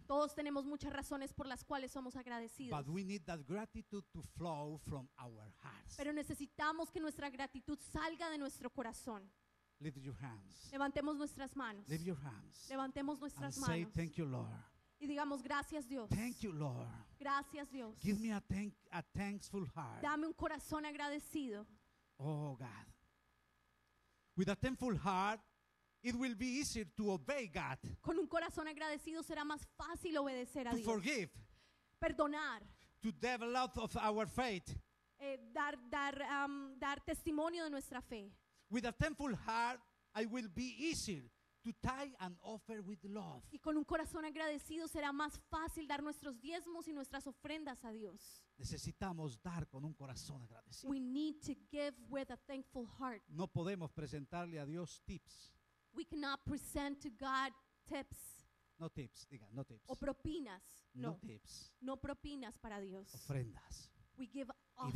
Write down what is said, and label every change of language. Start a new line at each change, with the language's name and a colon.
Spanish: Todos tenemos muchas razones por las cuales somos agradecidos.
English: But we need that gratitude to flow from our hearts.
Spanish: Pero necesitamos que nuestra gratitud salga de nuestro corazón.
English: Lift your hands.
Spanish: Levantemos nuestras manos.
English: Lift your hands.
Spanish: Levantemos nuestras manos.
English: And say thank you, Lord.
Spanish: Y digamos gracias Dios.
English: Thank you, Lord.
Spanish: Gracias Dios.
English: Give me a thankful heart.
Spanish: Dame un corazón agradecido.
English: Oh God. With a thankful heart, it will be easier to obey God.
Spanish: Con un corazón agradecido será más fácil obedecer a Dios.
English: To forgive.
Spanish: Perdonar.
English: To develop of our faith.
Spanish: Dar testimonio de nuestra fe.
English: With a thankful heart, I will be easier to tie and offer with love.
Spanish: Y con un corazón agradecido será más fácil dar nuestros diezmos y nuestras ofrendas a Dios. Necesitamos dar con un corazón agradecido.
English: We need to give with a thankful heart.
Spanish: No podemos presentarle a Dios tips.
English: We cannot present to God tips. No tips, diga, no tips.
Spanish: O propinas. No,
English: no tips.
Spanish: No propinas para Dios. Ofrendas.
English: We give offerings.